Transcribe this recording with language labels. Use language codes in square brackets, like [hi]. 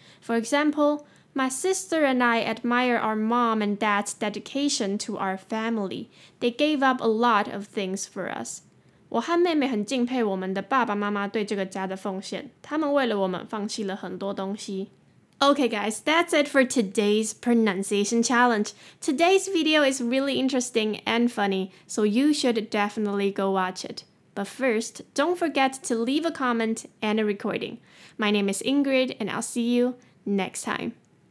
[en] For example, my sister and I admire our mom and dad's dedication to our family. They gave up a lot of things for us. [zh] 我和妹妹很敬佩我们的爸爸妈妈对这个家的奉献，他们为了我们放弃了很多东西。 [en] Okay guys, that's it for today's pronunciation challenge. Today's video is really interesting and funny, so you should definitely go watch it. But first, don't forget to leave a comment and a recording. My name is Ingrid, and I'll see you next time.